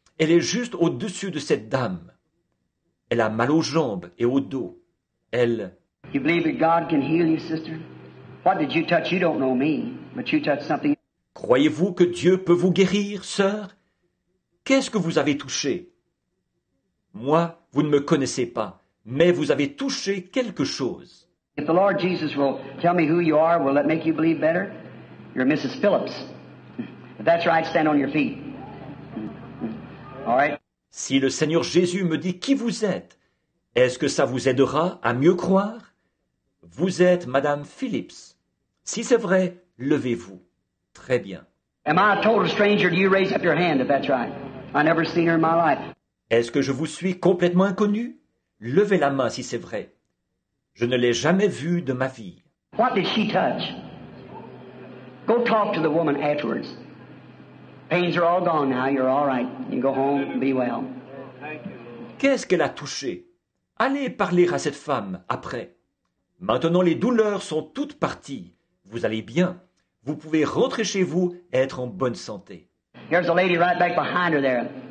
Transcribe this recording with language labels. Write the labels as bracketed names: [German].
[French] Elle est juste au-dessus de cette dame. Elle a mal aux jambes et au dos. Elle... [English] You believe that God can heal you, sister? What did you touch? You don't know me, but you touched something. [French] Croyez-vous que Dieu peut vous guérir, sœur? Qu'est-ce que vous avez touché? Moi, vous ne me connaissez pas, mais vous avez touché quelque chose. [English] If the Lord Jesus will tell me who you are, will that make you believe better? You're Mrs. Phillips. If that's right, stand on your feet. All right? [French] Si le Seigneur Jésus me dit qui vous êtes, est-ce que ça vous aidera à mieux croire? Vous êtes Madame Phillips. Si c'est vrai, levez-vous. Très bien. [English] Am I a total stranger? Do you raise up your hand if that's right? I never seen her in my life. [French] Est-ce que je vous suis complètement inconnu? Levez la main si c'est vrai. Je ne l'ai jamais vue de ma vie. [English] What did she touch? Go talk to the woman afterwards. Pains are all gone now. You're all right. You go home. Be well. [French] Qu'est-ce qu'elle a touché? Allez parler à cette femme après. Maintenant, les douleurs sont toutes parties. Vous allez bien. Vous pouvez rentrer chez vous et être en bonne santé. [English] Here's a lady right back behind her there.